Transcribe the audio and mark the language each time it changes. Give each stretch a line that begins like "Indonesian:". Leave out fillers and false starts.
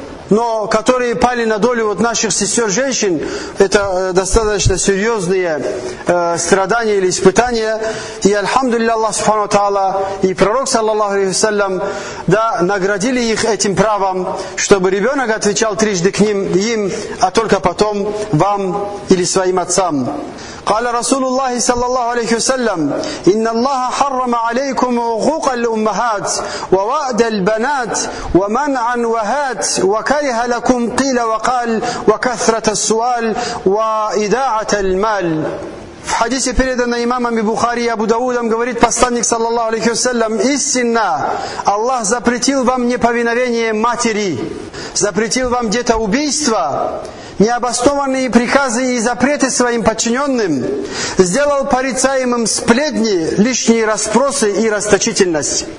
Russian: но которые пали на долю вот наших сестер-женщин, это достаточно серьезные страдания или испытания. И Альхамдулилля Аллах Субхану Та'ала и Пророк, саллаллаху алейхи вассалям, да, наградили их этим правом, чтобы ребенок отвечал трижды к ним, им, а только потом вам или своим отцам.
Arabic: قال رسول الله صلى الله عليه وسلم إن الله حرم عليكم حقوق الأمهات ووأد البنات ومنعا وهات وكره لكم قيل وقال وكثرة السؤال وإداعة المال.
Russian: В хадисе, переданном имамами Бухари и Абу Даудом, говорит посланник, саллаллаху алейхи вассалям, истинно, Аллах запретил вам неповиновение матери, запретил вам детоубийство, необоснованные приказы и запреты своим подчиненным, сделал порицаемым сплетни, лишние расспросы и расточительность.